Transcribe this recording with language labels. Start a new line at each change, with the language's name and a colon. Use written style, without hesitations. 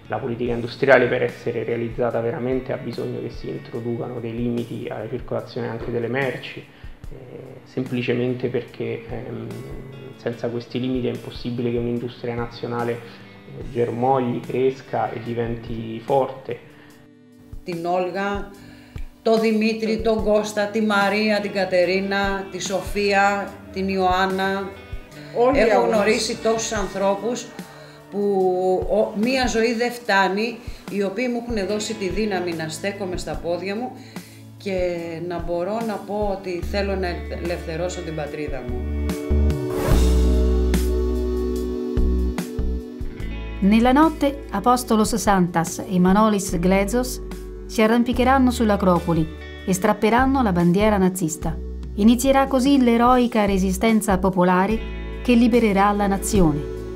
Italian: La politica industriale, per essere realizzata veramente, ha bisogno che si introducano dei limiti alla circolazione anche delle merci, semplicemente perché senza questi limiti è impossibile che un'industria nazionale germogli, cresca e diventi forte.
Greek: Την Όλγα, τον Δημήτρη, τον Κώστα, τη Μαρία, την Κατερίνα, τη Σοφία, την Ιωάννα. Όλοι έχω γνωρίσει τόσους ανθρώπους που μία ζωή δεν φτάνει, οι οποίοι μου έχουν δώσει τη δύναμη να στέκομαι στα πόδια μου και να μπορώ να πω ότι θέλω να ελευθερώσω την πατρίδα μου.
Italian: Nella notte, Apostolos Santas e Manolis Glezos si arrampicheranno sull'Acropoli e strapperanno la bandiera nazista. Inizierà così l'eroica resistenza popolare che libererà la nazione.